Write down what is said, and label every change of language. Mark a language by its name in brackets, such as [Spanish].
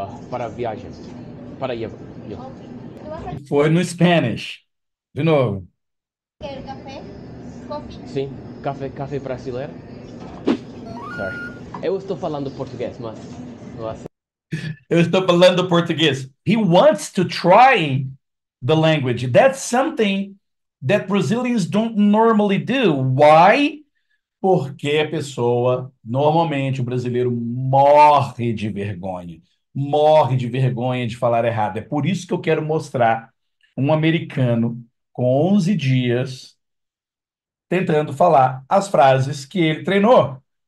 [Portuguese] Para viagem. Para levar. Okay. Foi no Spanish. De novo. Quer café? [English] Coffee? [Portuguese] Sim. Café brasileiro? [English] Sorry. [Portuguese] Eu estou falando português, mas... Eu estou falando português. [English] He wants to try the language. That's something that Brazilians don't normally do. Why? [Portuguese] Porque a pessoa, normalmente, o brasileiro morre de vergonha. Morre de vergonha de falar errado. É por isso que eu quero mostrar um americano com 11 dias tentando falar as frases que ele treinou.